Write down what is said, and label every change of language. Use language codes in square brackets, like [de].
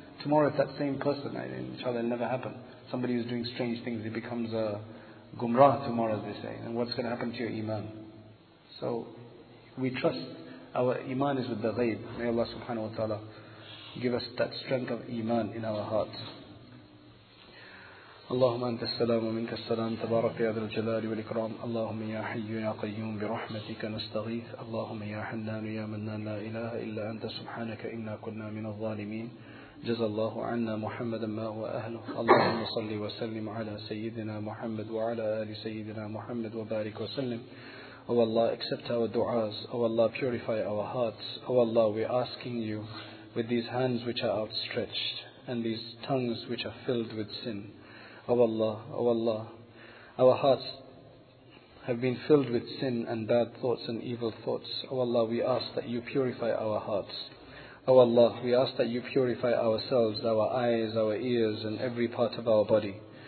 [en] Tomorrow if that same person, inshallah it'll never happen. Somebody who's doing strange things, he becomes a gumrah tomorrow, as they say. And what's going to happen to your iman? So we trust our iman is with the ghayb. May Allah subhanahu wa ta'ala give us that strength of iman in our hearts. [ar] اللهم أنت السلام ومنك السلام تبارك يا ذا الجلال والإكرام اللهم يا حي يا قيوم برحمتك نستغيث اللهم يا حنان يا منان لا إله إلا أنت سبحانك إنا كنا من الظالمين جزى الله عنا محمدا ما هو أهله اللهم صل وسلم على سيدنا محمد وعلى آل سيدنا محمد وبارك وسلم [en] Oh Allah, accept our du'as. Oh Allah, purify our hearts. Oh Allah, we're asking you with these hands which are outstretched and these tongues which are filled with sin. Oh Allah, Oh Allah, our hearts have been filled with sin and bad thoughts and evil thoughts. Oh Allah, we ask that you purify our hearts. Oh Allah, we ask that you purify ourselves, our eyes, our ears and every part of our body.